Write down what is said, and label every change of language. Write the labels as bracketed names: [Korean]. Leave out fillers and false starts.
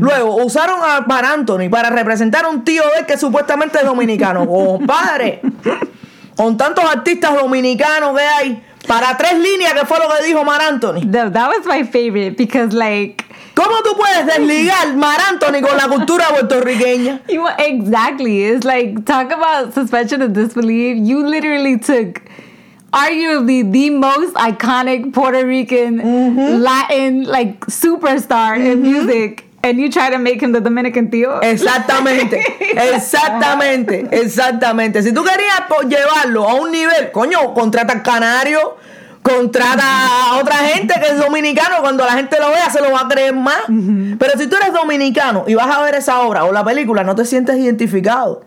[Spanish] Luego, usaron a Mark Anthony para representar a un tío de él que supuestamente es dominicano. ¡Compadre! Con tantos artistas dominicanos que hay, para tres líneas, que fue lo que dijo Mark Anthony. [English] That was my favorite, because like... [Spanish] ¿Cómo tú puedes desligar Mar Anthony con la cultura puertorriqueña? [English] Exactly. It's like, talk about suspension of disbelief. You literally took arguably the most iconic Puerto Rican mm-hmm. Latin like superstar mm-hmm. in music and you try to make him the Dominican tío. [Spanish] Exactamente. Exactamente. Exactamente. Si tú querías llevarlo a un nivel, coño, contrata al canario. Contrata a otra gente que es dominicano. Cuando la gente lo vea, se lo va a creer más. Uh-huh. Pero si tú eres dominicano y vas a ver esa obra o la película, no te sientes identificado.